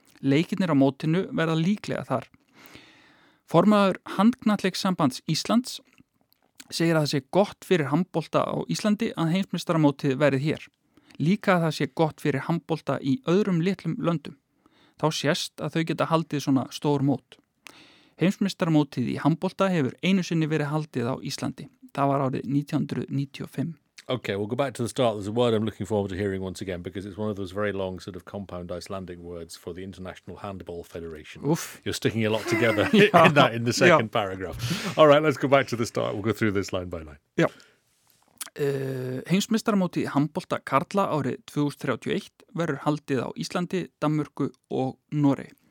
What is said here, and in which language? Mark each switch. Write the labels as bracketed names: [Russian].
[Icelandic] Leikirnir á mótinu verða líklega þar. Formaður handknattleikssambands Íslands segir að það sé gott fyrir handbolta á Íslandi að heimsmeistaramótið verið hér. Líka að það sé gott fyrir handbolta í öðrum litlum löndum. Þá sést að þau geta haldið svona stór mót. Heimsmeistaramótið í handbolta hefur einu sinni verið haldið á Íslandi. Það var árið 1995. [English] Okay, we'll go back to the start. There's a word I'm looking forward to hearing once again, because it's one of those very long sort of compound Icelandic words for the International Handball Federation. Oof. You're sticking a lot together in the second paragraph. All right, let's go back to the start. We'll go through this line by line. Yeah. [Icelandic] Heimsmeistaramóti handbolta karla árið 2031 verður haldið á Íslandi, Danmörku og Noregi.